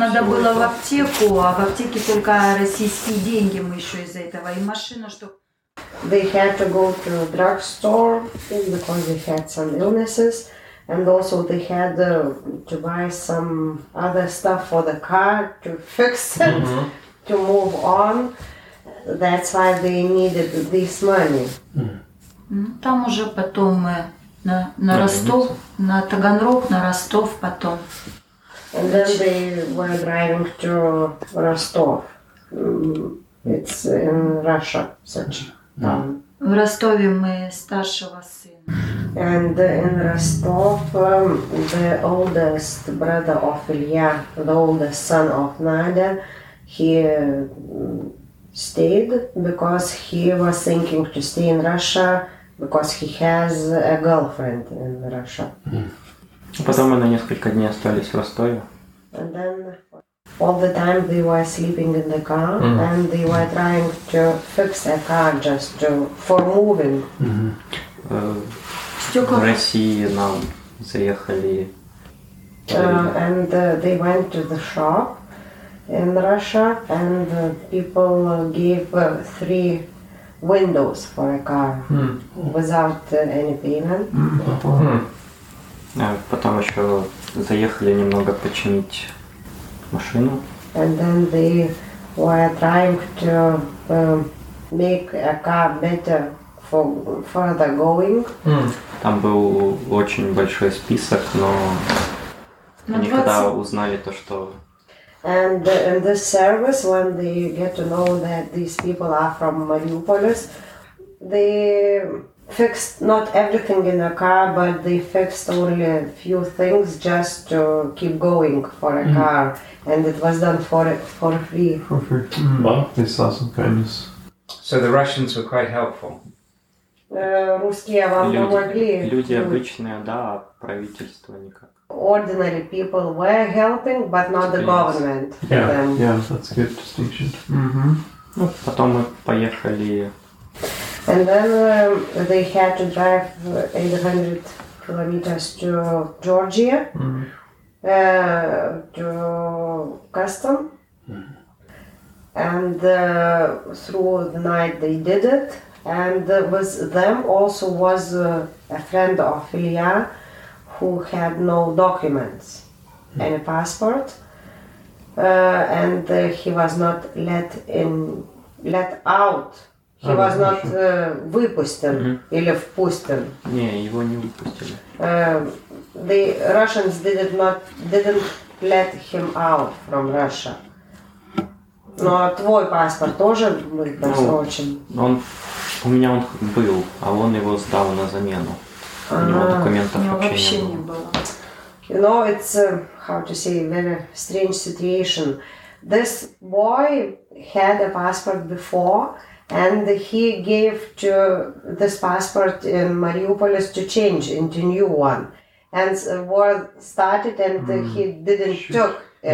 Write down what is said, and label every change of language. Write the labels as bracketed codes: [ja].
[ru] Нам надо было в аптеку, а в аптеке только российские деньги мы еще из-за этого. И машина, что... [en] They had to go to a drugstore because they had some illnesses. And also they had to buy some other stuff for the car to fix it, mm-hmm. to move on. That's why they needed this money. [ru] Там уже потом мы... На Ростов, на Таганрог, на Ростов потом. [en] And then they were driving to Ростов. It's in Russia, such town. [ru] В Ростове мы старшего сына. [en] And in Ростов, the oldest brother of Илья, the oldest son of Nadia, he stayed because he was thinking to stay in Russia. Because he has a girlfriend in Russia. Mm. [ru] Потом мы на несколько дней остались в Ростове. [en] And then all the time they were sleeping in the car, mm. and they were trying to fix a car just to, for moving. [ru] Mm-hmm. В России нам заехали. [en] And they went to the shop in Russia, and people gave three windows for a car without any payment. [ru] Потом еще заехали немного починить машину. [en] And then they were trying to make a car better for further going. [ru] Там был очень большой список, но они когда узнали то, что... [en] And in this service, when they get to know that these people are from Mariupolis, they fixed not everything in the car, but they fixed only a few things just to keep going for a car. And it was done for free. For free. Mm. Wow. They saw some kindness. So the Russians were quite helpful. [ru] Русские вам помогли. Люди обычные, да, а правительство никак. [en] Ordinary people were helping, but not the government. That's a good distinction. [ru] Mm-hmm. Потом мы поехали. [en] And then they had to drive 800 kilometers to Georgia, to custom. And through the night they did it. And with them also was a friend of Ilya, who had no documents, any passport, and he was not let in, let out. He was not [ru] выпустен или впустен. Не, его не выпустили. [en] The Russians didn't let him out from Russia. [ru] Но твой паспорт тоже был просрочен. Ну, он у меня он был, а он его сдал на замену. У него документов вообще не было. [en] You know, it's, how to say, a very strange situation. This boy had a passport before, and he gave to this passport in Mariupol to change into new one. And the war started, and he didn't took it.